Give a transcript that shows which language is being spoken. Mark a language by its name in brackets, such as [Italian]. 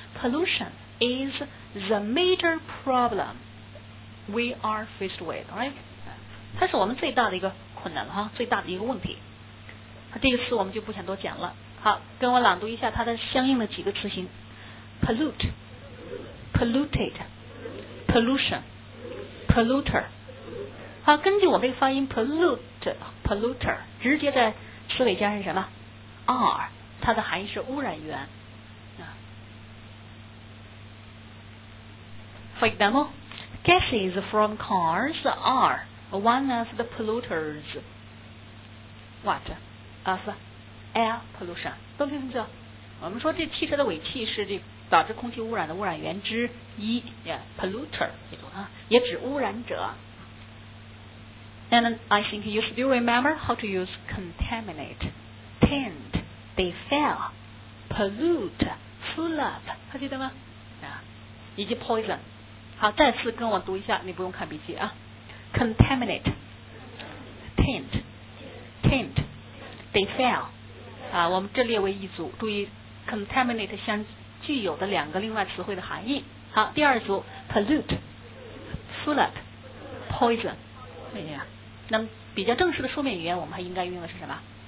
[English] Pollution is the major problem we are faced with, right? [Chinese] 它是我们最大的一个困难哈，最大的一个问题。这个词我们就不想多讲了。好，跟我朗读一下它的相应的几个词形 pollute, polluted, pollution, polluter。好，根据我们这个发音 pollute, polluter, 直接在词尾加上什么 ?r, 它的含义是污染源。 [English] For example, gases from cars are one of the polluters. What? Of air pollution. [Chinese] 都听清楚？我们说这汽车的尾气是这导致空气污染的污染源之一 yeah, polluter 一种啊，也指污染者。 [English] And I think you still remember how to use contaminate, taint, defile, pollute, full up, [Chinese] 还记得吗？啊，以及 poison。好，再次跟我读一下，你不用看笔记啊。 [English] Contaminate, taint, taint.Defile, [Chinese] 啊，我们这列为一组，注意 contaminate 相具有的两个另外词汇的含义。好，第二组 pollute, flood, poison, 那么比较正式的书面语言我们还应该用的是什么？